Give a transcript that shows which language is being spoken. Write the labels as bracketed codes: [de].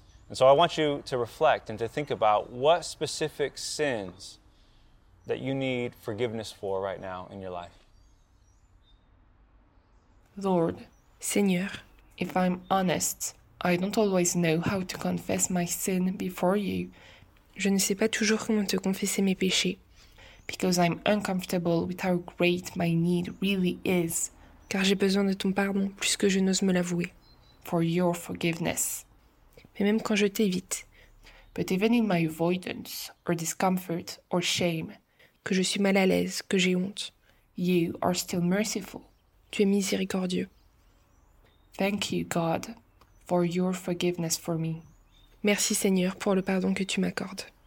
[en] And so I want you to reflect and to think about what specific sins that you need forgiveness for right now in your life. Lord, Seigneur, if I'm honest, I don't always know how to confess my sin before you. [fr] Je ne sais pas toujours comment te confesser mes péchés. [en] Because I'm uncomfortable with how great my need really is. [fr] Car j'ai besoin de ton pardon plus que je n'ose me l'avouer. [en] For your forgiveness. [fr] Mais même quand je t'évite. [en] But even in my avoidance, or discomfort, or shame. [fr] Que je suis mal à l'aise, que j'ai honte. [en] You are still merciful. [fr] Tu es miséricordieux. [en] Thank you, God, for your forgiveness for me. [fr] Merci, Seigneur, pour le pardon que tu m'accordes.